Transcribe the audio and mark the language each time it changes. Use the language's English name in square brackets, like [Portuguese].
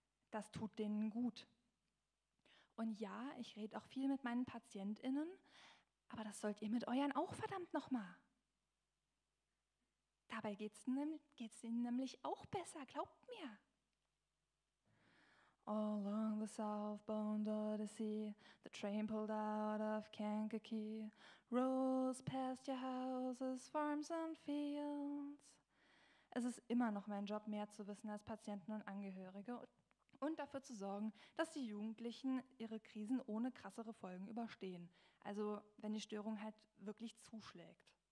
[German] Das tut denen gut. Und ja, ich rede auch viel mit meinen PatientInnen, aber das sollt ihr mit euren auch verdammt nochmal. Dabei geht's ihnen nämlich auch besser, glaubt mir. [English] All along the southbound Odyssey, the train pulled out of Kankakee, rolls past your houses, farms and fields. [German] Es ist immer noch mein Job, mehr zu wissen als Patienten und Angehörige und dafür zu sorgen, dass die Jugendlichen ihre Krisen ohne krassere Folgen überstehen. Also wenn die Störung halt wirklich zuschlägt.